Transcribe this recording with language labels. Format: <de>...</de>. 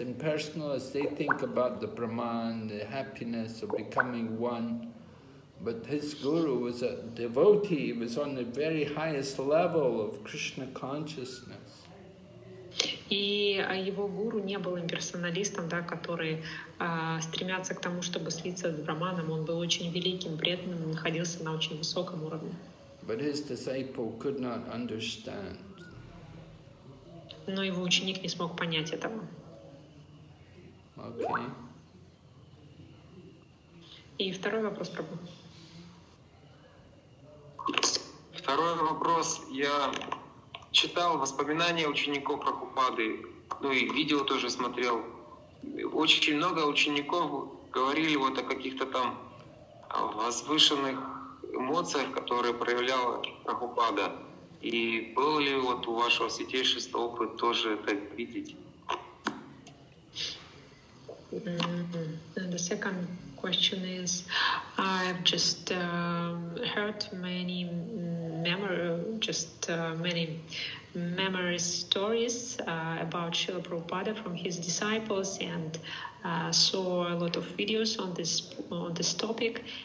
<en>Impersonalists, they think about the Brahman, the happiness of becoming one. But his guru was a devotee. He was on the very highest level of Krishna consciousness.</en> <ru>И его гуру не был имперсоналистом, да, который стремятся к тому, чтобы слиться с Браманом. Он был очень великим преданным, находился на очень высоком уровне.</ru> <en>But his disciple could not understand.</en> <ru>Но его ученик не смог понять этого.</ru> <en>Okay.</en> <ru>И второй вопрос, Прабху. Второй вопрос. Я читал воспоминания учеников Прабхупады, ну и видео тоже смотрел. Очень много учеников говорили вот о каких-то там возвышенных эмоциях, которые проявлял Прабхупада. И был ли вот у вашего святейшества опыт тоже это видеть?</ru> <en>And the second question is, I've just heard many memory stories about Srila Prabhupada from his disciples, and saw a lot of videos on this topic.</en>